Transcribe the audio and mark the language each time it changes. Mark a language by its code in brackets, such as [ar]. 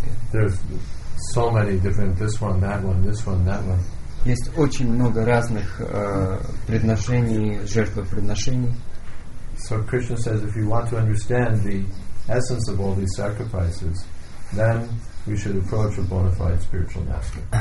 [en] There's so many different, this one, that one. [ru] Есть очень много разных предношений, жертвоприношений. [en] So Krishna says, if you want to understand the essence of all these sacrifices, then we should approach a bona fide spiritual master.